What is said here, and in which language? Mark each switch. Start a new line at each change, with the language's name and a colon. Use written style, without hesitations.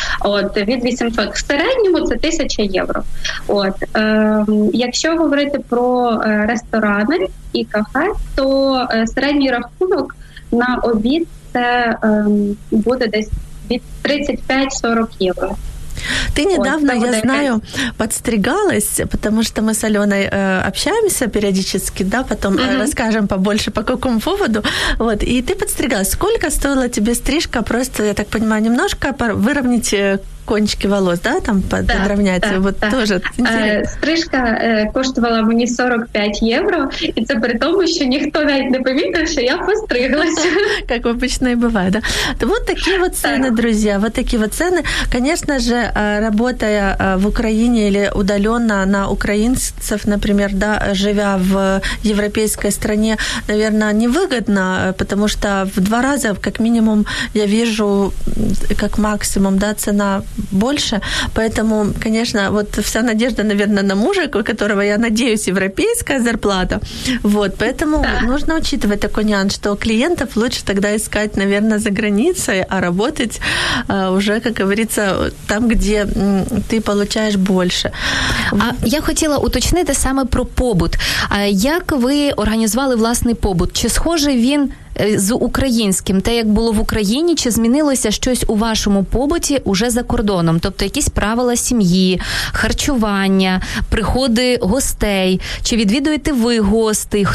Ukrainian: От, від 800. В середньому це 1000 євро. От, якщо говорити про ресторани і кафе, то середній рахунок на обід це буде десь від 35-40 євро.
Russian: Ты недавно, я знаю, подстригалась, потому что мы с Аленой общаемся периодически, да, потом расскажем побольше, по какому поводу. Вот, и ты подстригалась. Сколько стоила тебе стрижка? Просто, я так понимаю, немножко выровнять кончики волос, да, там подровнять. Да, вот да, тоже да.
Ukrainian: Стрижка коштувала мені 45 євро, і це при тому, що ніхто навіть не помітив, що я постриглася. Як обычно і буває, да. То вот такі вот ціни, друзі, вот такі вот ціни.
Russian: Конечно же, работая в Украине или удаленно на украинцев, например, да, живя в европейской стране, наверное, невыгодно, потому что в два раза, как минимум, я вижу, как максимум, да, цена больше. Поэтому, конечно, вот вся надежда, наверное, на мужа, у которого, я надеюсь, европейская зарплата. Вот, поэтому нужно учитывать такой нюанс, что клиентов лучше тогда искать, наверное, за границей, а работать уже, как говорится, там, где
Ukrainian: ти получаєш більше. А я хотіла уточнити саме про побут. А як ви організували власний побут? Чи схожий він з українським, те, як було в Україні, чи змінилося щось у вашому побуті уже за кордоном? Тобто якісь правила сім'ї, харчування, приходи гостей, чи відвідуєте ви гостей?